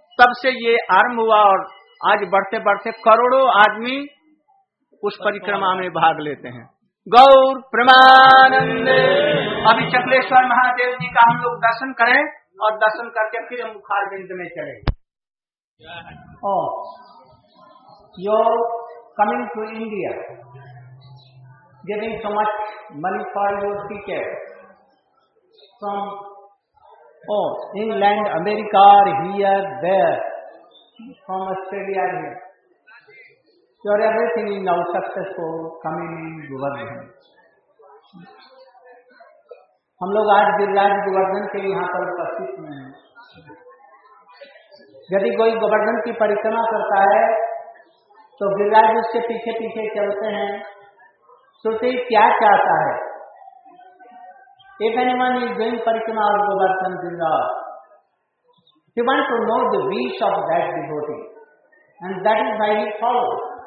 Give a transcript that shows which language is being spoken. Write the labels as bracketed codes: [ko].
[hi] तब से ये आरंभ हुआ और आज बढ़ते बढ़ते करोड़ों आदमी उस परिक्रमा में भाग लेते हैं। गौर प्रेमानंद। अभी चकलेश्वर महादेव जी का हम लोग दर्शन करें और दर्शन करके फिर हम मुखारविंद में चले। [en] Your coming to India giving so much money for your ticket from Oh, England, America, here, there, from Australia here. So everything is now successful, coming in Govardhan. [hi] हम लोग आज गिरिराज गोवर्धन के यहाँ पर उपस्थित हुए हैं. यदि कोई गोवर्धन की परिक्रमा करता है तो गिरिराज उसके पीछे पीछे चलते हैं. सोचे क्या चाहता है. [en] If anyone is doing parikrama of Govardhan Giriraj, he want to know the wish of that devotee and that is why he follows.